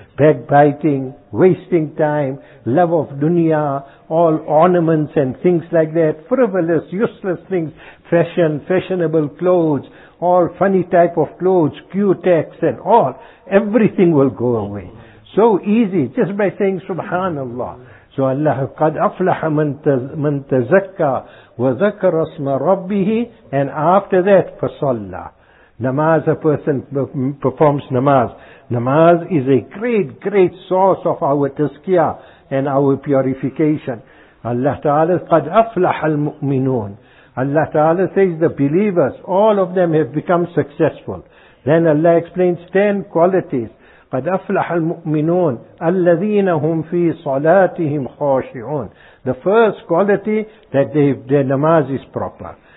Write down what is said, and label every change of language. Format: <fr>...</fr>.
<en>Backbiting, wasting time, love of dunya, all ornaments and things like that, frivolous, useless things, fashionable clothes, all funny type of clothes, cutex and all, everything will go away. So easy, just by saying Subhanallah. So Allah,</en> <ar>قَدْ أَفْلَحَ مَنْ تَزَكَّى وَذَكَرَ اسْمَ رَبِّهِ.</ar> <en>And after that,</en> <ar>فَصَلَّى.</ar> <en>Namaz, a person performs namaz. Namaz is a great, great source of our tazkiyah and our purification.</en> <ar>Allah Ta'ala, قَدْ أَفْلَحَ الْمُؤْمِنُونَ.</ar> <en>Allah Ta'ala says the believers, all of them have become successful. Then Allah explains 10 qualities.</en> <ar>قَدْ أَفْلَحَ الْمُؤْمِنُونَ الَّذِينَ هُمْ فِي صَلَاتِهِمْ خَاشِعُونَ.</ar> <en>The first quality, that their namaz is proper.</en>